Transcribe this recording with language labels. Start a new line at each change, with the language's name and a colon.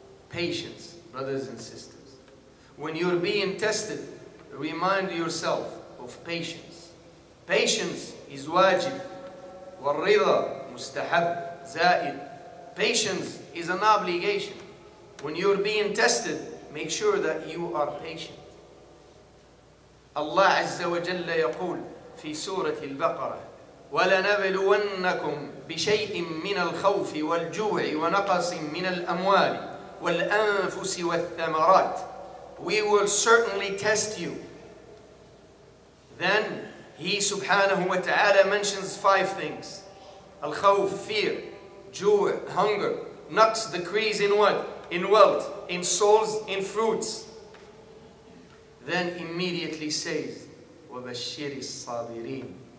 English: Patience, brothers and sisters. When you're being tested, remind yourself of patience. Patience is wajib.
Arabic: وَالْرِضَى مُسْتَحَبْ زَائِد.
English: Patience is an obligation. When you're being tested, make sure that you are patient.
Arabic: Allah Azza wa Jalla يقول في سورة البقرة وَلَنَبْلُوَنَّكُمْ بِشَيْءٍ مِّنَ الْخَوْفِ وَالْجُوعِ وَنَقَصٍ مِّنَ الْأَمْوَالِ وَالْأَنفُسِ وَالثَّمَرَاتِ.
English: We will certainly test you. Then he subhanahu wa ta'ala mentions five things. Al-khawf, fear, joy, hunger, naqs, decrease in what? In wealth, in souls, in fruits. Then immediately says,
Arabic: وَبَشِّرِ الصَّابِرِينَ.